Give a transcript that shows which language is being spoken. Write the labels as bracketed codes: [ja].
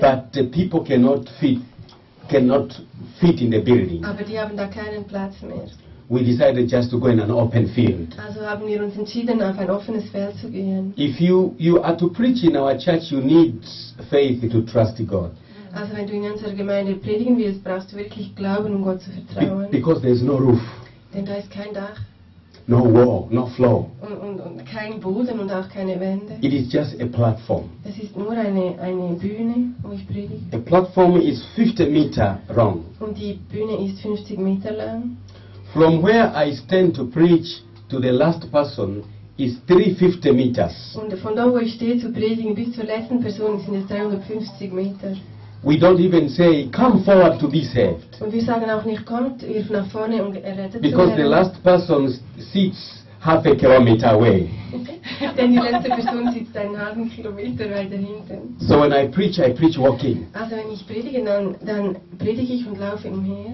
[en] But the people cannot fit in the building. [de] Aber die haben da keinen Platz mehr. [en] We decided just to go in an open field. [de] Also haben wir uns entschieden, auf ein offenes Feld zu gehen. [en] If you are to preach in our church, you need faith to trust God. [de] Also wenn du in unserer Gemeinde predigen willst, brauchst du wirklich Glauben, um Gott zu vertrauen. [en] Because there is no roof. [de] Denn da ist kein Dach. [en] No wall, no floor. [de] Und kein Boden und auch keine Wände. [en] It is just a platform. [de] Es ist nur eine Bühne, wo ich predige. [en] The platform is 50 meter long. [de] Und die Bühne ist 50 Meter lang. [en] From where I stand to preach to the last person is 350 meters. [de] Und von da, wo ich stehe zu predigen, bis zur letzten Person sind es 350 Meter. [en] We don't even say, come forward to be saved. [de] Und wir sagen auch nicht, kommt, wirf nach vorne, um errettet zu werden. [en] Because the last person sits half a kilometer away. [de] Denn die letzte Person sitzt einen halben Kilometer weiter hinten. [en] So when I preach walking. [de] Also wenn ich predige, dann predige ich und laufe umher.